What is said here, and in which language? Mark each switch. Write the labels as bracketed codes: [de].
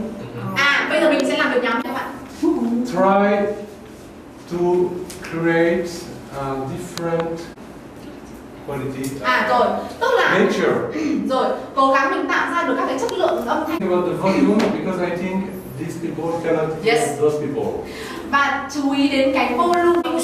[vi] Mm-hmm. À, bây giờ mình sẽ làm việc nhóm nha các bạn. [en] Try to create different quality. [vi] À rồi, tức là [en] nature. [vi] Rồi, cố gắng mình tạo ra được các cái chất lượng âm thanh. [en] About the volume because I think these people cannot hear yes. those people. [vi] Và chú ý đến cái volume của